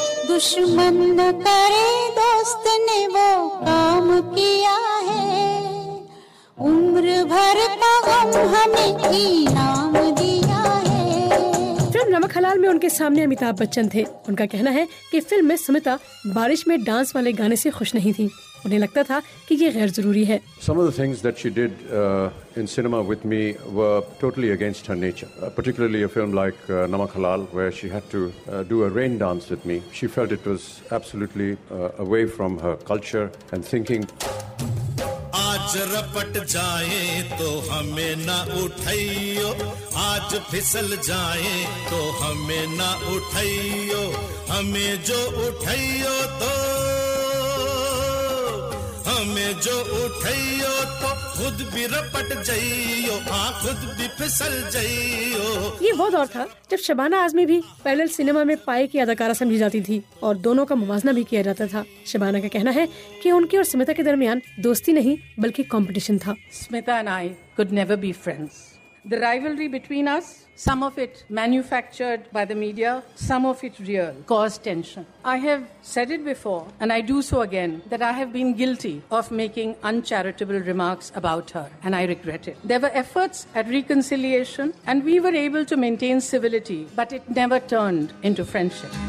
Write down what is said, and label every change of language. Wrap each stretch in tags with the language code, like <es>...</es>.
<hi>दुश्मन न करे दोस्त ने वो काम किया है, उम्र भर का गम हमें इनाम दिया है। फिल्म नमक हलाल में उनके सामने अमिताभ बच्चन थे। उनका कहना है कि फिल्म में सुमिता बारिश में डांस वाले गाने से खुश नहीं थी। उन्हें लगता था कि ये गैर जरूरी है।</hi> <en>Some of the things that she did in cinema with me were totally against her nature. Particularly a film like Namak Halal, where she had to do a rain dance with me. She felt it was absolutely away from her culture and thinking.</en> <hi>आज रपट जाए तो हमें ना उठाइयो, आज फिसल जाए तो हमें ना उठाइयो, हमें जो उठाइयो तो खुद भी रपट जाइयो, खुद भी फिसल जाइयो। ये वो दौर था जब शबाना आजमी भी पैरेलल सिनेमा में पाए की अदाकारा समझी जाती थी और दोनों का मुवाजना भी किया जाता था। शबाना का कहना है कि उनके और सुमिता के दरमियान दोस्ती नहीं बल्कि कंपटीशन था।</hi> <en>Smita and I could never be friends, The rivalry between us, some of it manufactured by the media, some of it real, caused tension. I have said it before, and I do so again, that I have been guilty of making uncharitable remarks about her, and I regret it. There were efforts at reconciliation, and we were able to maintain civility, but it never turned into friendship.</en>